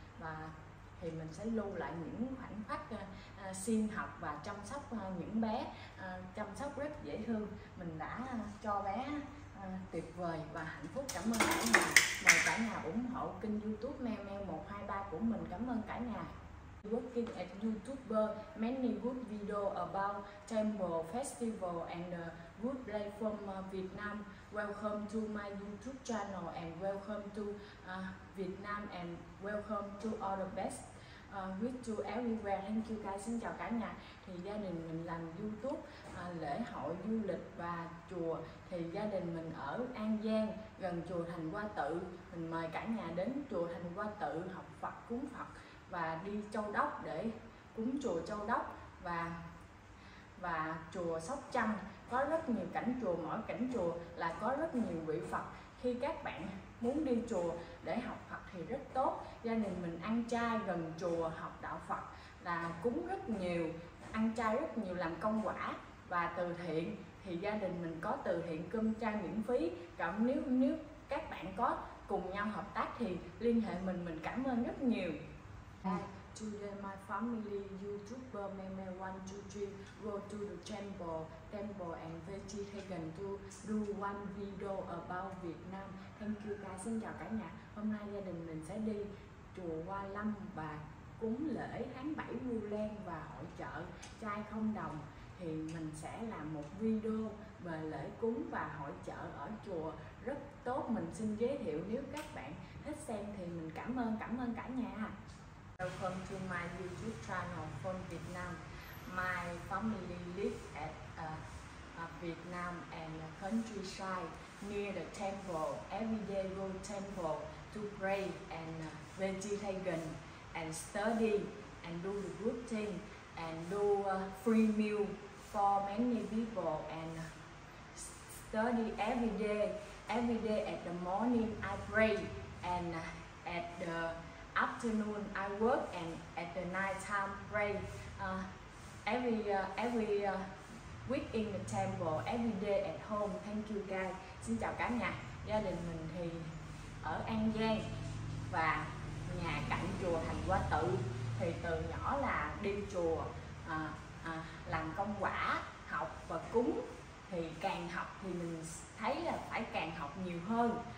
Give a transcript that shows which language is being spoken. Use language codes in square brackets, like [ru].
[vi] Và thì mình sẽ lưu lại những khoảnh khắc xin học và chăm sóc những bé, chăm sóc rất dễ thương. Mình đã cho bé tuyệt vời và hạnh phúc. Cảm ơn cả nhà. Mời cả nhà ủng hộ kênh YouTube Meo Meo 123 của mình. Cảm ơn cả nhà. [en] Working at YouTuber, many good video about temple, festival and good life from Vietnam. Welcome to my YouTube channel and welcome to Vietnam and welcome to all the best with to everywhere. Thank you guys, [vi] xin chào cả nhà. Thì gia đình mình làm YouTube, lễ hội du lịch và chùa. Thì gia đình mình ở An Giang, gần chùa Thành Hoa Tự. Mình mời cả nhà đến chùa Thành Hoa Tự học Phật, cúng Phật và đi Châu Đốc để cúng chùa Châu Đốc và chùa Sóc Trăng. Có rất nhiều cảnh chùa, mỗi cảnh chùa là có rất nhiều vị Phật. Khi các bạn muốn đi chùa để học Phật thì rất tốt. Gia đình mình ăn chay gần chùa học đạo Phật, là cúng rất nhiều, ăn chay rất nhiều, làm công quả và từ thiện. Thì gia đình mình có từ thiện cơm chay miễn phí. Còn nếu các bạn có cùng nhau hợp tác thì liên hệ mình cảm ơn rất nhiều. [en] Today my family YouTuber Meme123 go to the temple and vegetarian to do one video about Vietnam. Thank you guys, [vi] xin chào cả nhà. Hôm nay gia đình mình sẽ đi chùa Hoa Lâm và cúng lễ tháng 7 Vu Lan và hội chợ chay không đồng. Thì mình sẽ làm một video về lễ cúng và hội chợ ở chùa rất tốt. Mình xin giới thiệu, nếu các bạn thích xem thì mình cảm ơn cả nhà. [en] Welcome to my YouTube channel from Vietnam. My family live at Vietnam and the countryside near the temple. Every day go temple to pray and vegetarian and study and do the good thing and do free meal for many people and study every day. Every day at the morning I pray and at the afternoon I work and at the night time pray every week in the temple, every day at home. Thank you guys, [vi] xin chào cả nhà. Gia đình mình thì ở An Giang và nhà cạnh chùa Thành Hoa Tự. Thì từ nhỏ là đi chùa làm công quả, học và cúng. Thì càng học thì mình thấy là phải càng học nhiều hơn.